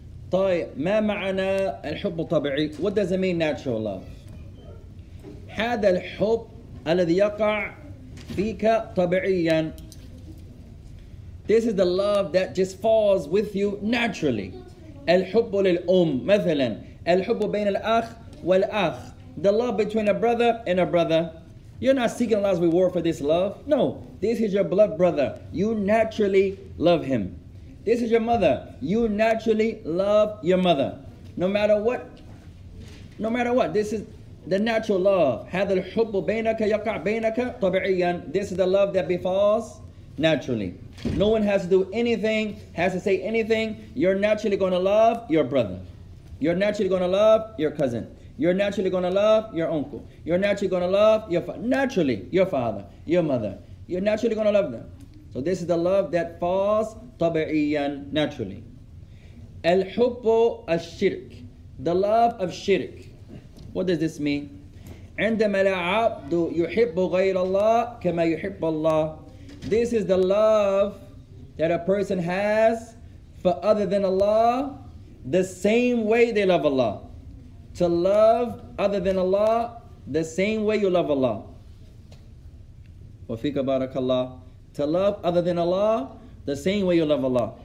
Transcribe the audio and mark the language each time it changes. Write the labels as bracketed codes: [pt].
[ar] طيب ما معنى الحب الطبيعي? [en] What does it mean, natural love? [ar] هذا الحب الذي يقع فيك طبيعيا. [en] This is the love that just falls with you naturally. [ar] الحب للأم مثلا. الحب بين الأخ والأخ. [en] The love between a brother and a brother. You're not seeking Allah's reward for this love. No, this is your blood brother. You naturally love him. This is your mother. You naturally love your mother. No matter what, no matter what, this is the natural love. [ar] هذا الحب بينك يقع بينك طبيعيا. [en] This is the love that befalls naturally. No one has to do anything, has to say anything. You're naturally going to love your brother. You're naturally going to love your cousin. You're naturally going to love your uncle. You're naturally going to love your naturally your father, your mother. You're naturally going to love them. So this is the love that falls طبيعياً, naturally. [ar] الحب الشرك, [en] the love of shirk. What does this mean? [ar] عندما العبد يحب غير الله كما يحب الله. [en] This is the love that a person has for other than Allah, the same way they love Allah. To love other than Allah, the same way you love Allah. [ar] وَفِيكَ بَارَكَ اللَّهُ. [en] To love other than Allah, the same way you love Allah.